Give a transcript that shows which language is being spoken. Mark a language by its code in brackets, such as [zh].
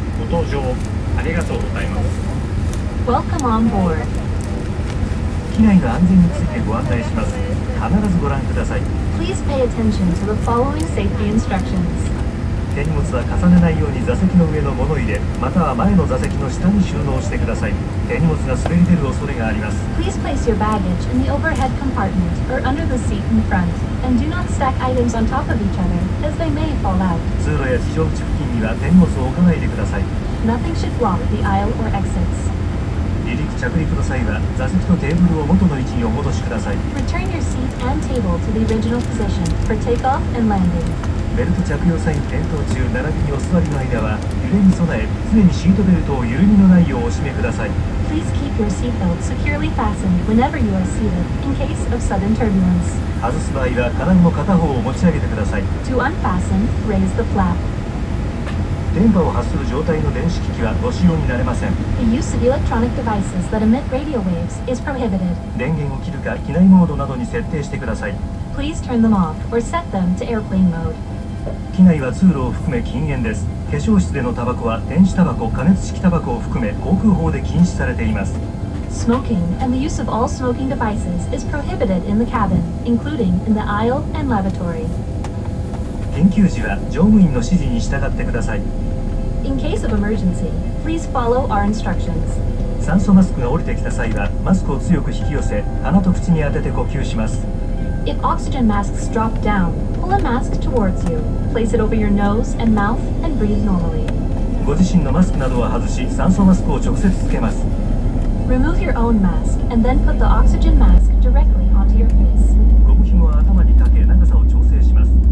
[ja] ご搭乗ありがとうございます。 [en] Welcome on board. [ja] 機内の安全についてご案内します。必ずご覧ください。 [en] Please pay attention to the following safety instructions. [ja] 手荷物は重ねないように座席の上の物入れ、または前の座席の下に収納してください。手荷物が滑り出る恐れがあります。 [en] Please place your baggage in the overhead compartment or under the seat in front, and do not stack items on top of each other, as they may fall out. [ja] 通路や非常口付近には手荷物を置かないでください。 [en] Nothing should block the aisle or exits. [ja] 離陸着陸の際は座席とテーブルを元の位置にお戻しください。 [en] Return your seat and table to the original position for takeoff and landing. [ja] ベルト着用際に点灯中並びにお座りの間は揺れに備え、常にシートベルトを緩みのないようお締めください。 [en] Please keep your seatbelt securely fastened whenever you are seated in case of sudden turbulence. [ja] 外す場合は金具の片方を持ち上げてください。 [en] To unfasten, raise the flap. [ja] 電波を発する状態の電子機器はご使用になれません。 [en] The use of electronic devices that emit radio waves is prohibited. [ja] 電源を切るか機内モードなどに設定してください。 [en] Please turn them off or set them to airplane mode. [ja] 機内は通路を含め禁煙です。化粧室でのタバコは電子タバコ、加熱式タバコを含め航空法で禁止されています。 [en] Smoking and the use of all smoking devices is prohibited in the cabin, including in the aisle and lavatory. [ja] 緊急時は乗務員の指示に従ってください。 [en] In case of emergency, please follow our instructions. [ja] 酸素マスクが降りてきた際はマスクを強く引き寄せ、鼻と口に当てて呼吸します。 [en] If oxygen masks drop down, pull a mask towards you. Place it over your nose and mouth and breathe normally. [ja] ご自身のマスクなどは外し、酸素マスクを直接つけます。 [en] Remove your own mask and then put the oxygen mask directly onto your face. [ja] ゴム紐は頭にかけ、長さを調整します。